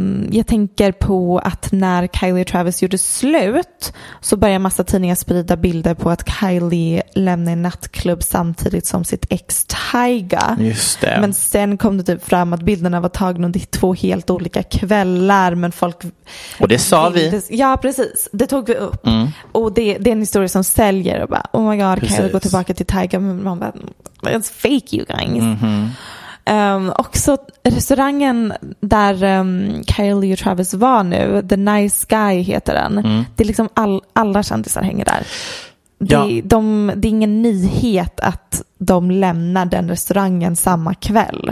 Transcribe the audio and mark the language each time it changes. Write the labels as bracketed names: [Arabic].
[Swedish] Jag tänker på att när Kylie och Travis gjorde slut så började massa tidningar sprida bilder på att Kylie lämnade en nattklubb samtidigt som sitt ex Tyga. Just det. Men sen kom det typ fram att bilderna var tagna under två helt olika kvällar, men folk... Och det sa vi. Ja, precis. Det tog vi upp. Och det är en historia som säljer och bara, [English] oh my god, [Swedish] kan jag gå tillbaka till Tyga? Man bara, [English] it's fake you guys. [Swedish] Också restaurangen där Kylie och Travis var nu, The Nice Guy heter den. Det är liksom alla kändisar hänger där. Det är ingen nyhet att de lämnar den restaurangen samma kväll.